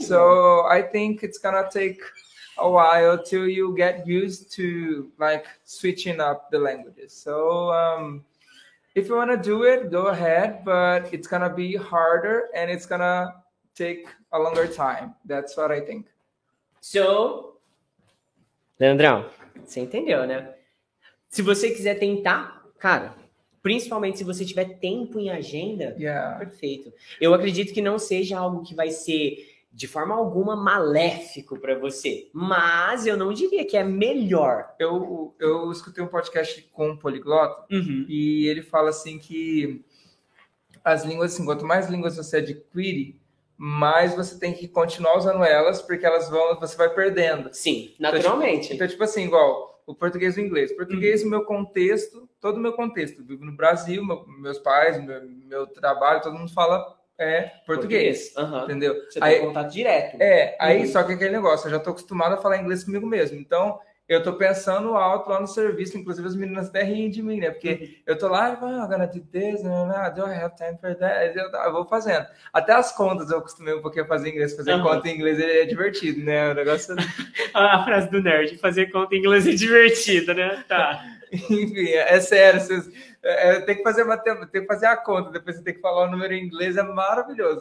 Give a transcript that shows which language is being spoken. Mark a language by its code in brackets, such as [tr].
[en] So I think it's gonna take a while till you get used to, like, switching up the languages. So if you want to do it, go ahead, but it's going to be harder and it's going to take a longer time. That's what I think. [pt] So, Leandrão, você entendeu, né? Se você quiser tentar, cara, principalmente se você tiver tempo em agenda, [en] yeah. [pt] Perfeito. Eu acredito que não seja algo que vai ser, de forma alguma, maléfico para você, mas eu não diria que é melhor. Eu escutei um podcast com um poliglota, e ele fala assim que as línguas, assim, quanto mais línguas você adquire, mais você tem que continuar usando elas, porque elas vão, você vai perdendo. Sim, naturalmente. Então, tipo assim, igual o português e o inglês. Português, o meu contexto, todo o meu contexto. Vivo no Brasil, meus pais, meu trabalho, todo mundo fala... É português, entendeu? Você aí, tem contato direto. É, aí só que aquele negócio, eu já tô acostumado a falar inglês comigo mesmo. Então, eu tô pensando alto lá no serviço, inclusive as meninas até riem de mim, né? Porque eu tô lá, [en] oh, I'm gonna do this, do I have time for that? [pt] Eu vou fazendo. Até as contas eu acostumei um pouquinho a fazer inglês, fazer conta em inglês é divertido, né? O negócio... a frase do nerd, fazer conta em inglês é divertido, né? Tá. Enfim, é sério, vocês... Tem que fazer a conta, depois você tem que falar o número em inglês, é maravilhoso.